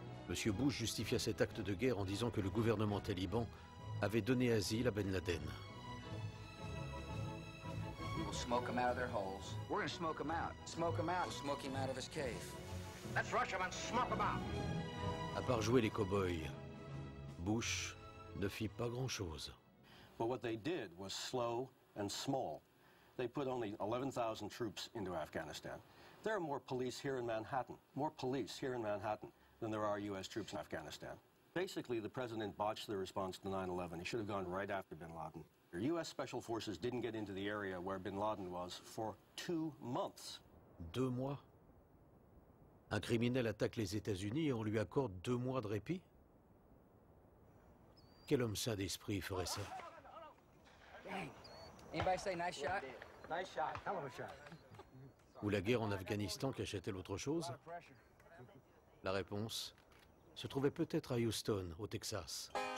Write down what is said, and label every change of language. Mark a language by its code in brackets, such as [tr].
[fr] Monsieur Bush justifia cet acte de guerre en disant que le gouvernement taliban avait donné asile à Ben Laden. [en] Smoke them out of their holes. We're gonna smoke them out. Smoke them out. We'll smoke him out of his cave. Let's rush him and smoke him out. [fr] À part jouer les cowboys, Bush ne fit pas grand chose. [en] But what they did was slow and small. They put only 11,000 troops into Afghanistan. There are more police here in Manhattan, than there are U.S. troops in Afghanistan. Basically, the president botched the response to 9/11. He should have gone right after Bin Laden. U.S. Special Forces didn't get into the area where Bin Laden was for 2 months. [fr] 2 mois? Un criminel attaque les États-Unis et on lui accorde 2 mois de répit? Quel homme sain d'esprit ferait ça? [en] Anybody say nice shot? Nice shot. Hell of a shot. [fr] Ou la guerre en Afghanistan cachait-elle autre chose? La réponse se trouvait peut-être à Houston, au Texas.